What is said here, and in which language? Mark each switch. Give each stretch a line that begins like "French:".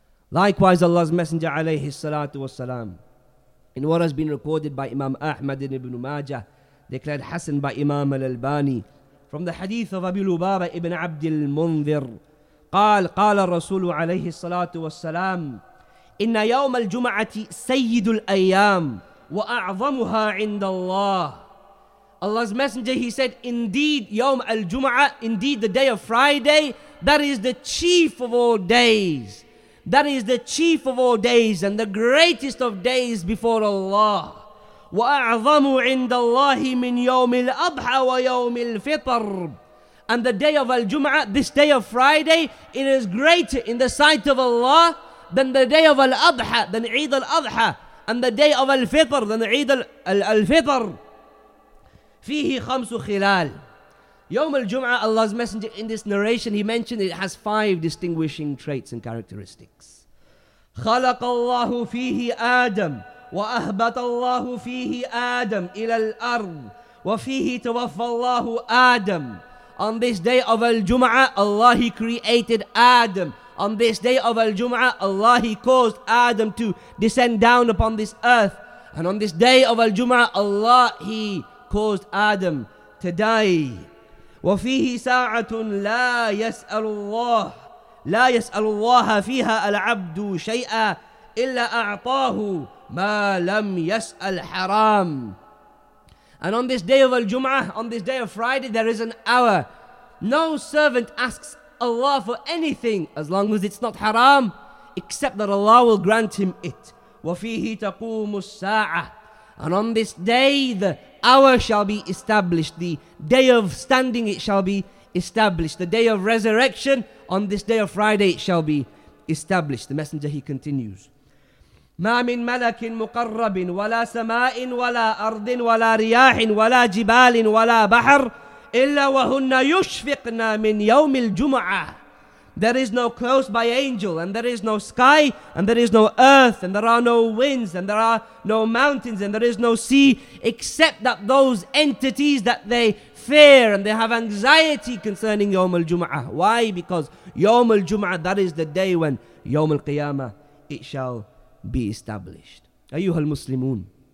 English: Likewise, Allah's Messenger alayhi salatu wasalam, in what has been recorded by Imam Ahmad ibn Majah, declared Hassan by Imam al-Albani, from the hadith of Abu Lubaba ibn Abd al-Munzir,
Arabic: قال الرسول عليه الصلاة والسلام إن يوم الجمعة سيد الأيام وأعظمها عند الله.
English: Allah's Messenger, he said, indeed يوم الجمعة, indeed the day of Friday, that is the chief of all days, that is the chief of all days and the greatest of days before Allah.
Arabic: وأعظم عند الله من يوم الأضحى ويوم الفطر.
English: And the day of Al-Jum'ah, this day of Friday, it is greater in the sight of Allah than the day of Al-Adha, than Eid Al-Adha, and the day of Al-Fitr, than Eid Al-Fitr.
Arabic: Fihi khamsu khilal.
English: Yawm Al-Jum'ah, Allah's Messenger, in this narration, he mentioned it has five distinguishing traits and characteristics.
Arabic: خلق الله فيه آدم وأهبط الله فيه آدم إلى الأرض وفيه توفى الله آدم.
English: On this day of Al-Jum'ah, Allah, he created Adam. On this day of Al-Jum'ah, Allah, he caused Adam to descend down upon this earth. And on this day of Al-Jum'ah, Allah, he caused Adam to die.
Arabic: وَفِيهِ سَاعَةٌ لَا يَسْأَلُ اللَّهَ لَا يَسْأَلُ اللَّهَ فِيهَا الْعَبْدُ شَيْئًا إِلَّا أَعْطَاهُ مَا لَمْ يَسْأَلْ حَرَامٌ.
English: And on this day of Al-Jum'ah, on this day of Friday, there is an hour. No servant asks Allah for anything as long as it's not haram, except that Allah will grant him it.
Arabic: وَفِيهِ تَقُومُ السَّاعَةِ.
English: And on this day, the hour shall be established. The day of standing, it shall be established. The day of resurrection, on this day of Friday, it shall be established. The Messenger, he continues.
Arabic: ما من ملك مقرب ولا سماء ولا أرض ولا رياح ولا جبال ولا بحر إلا وهن يشفقن من يوم الجمعة.
English: There is no close by angel, and there is no sky, and there is no earth, and there are no winds, and there are no mountains, and there is no sea, except that those entities that they fear and they have anxiety concerning يوم الجمعة. Why? Because يوم الجمعة, that is the day when يوم القيامة, it shall be established. Ayyuhal Muslimun.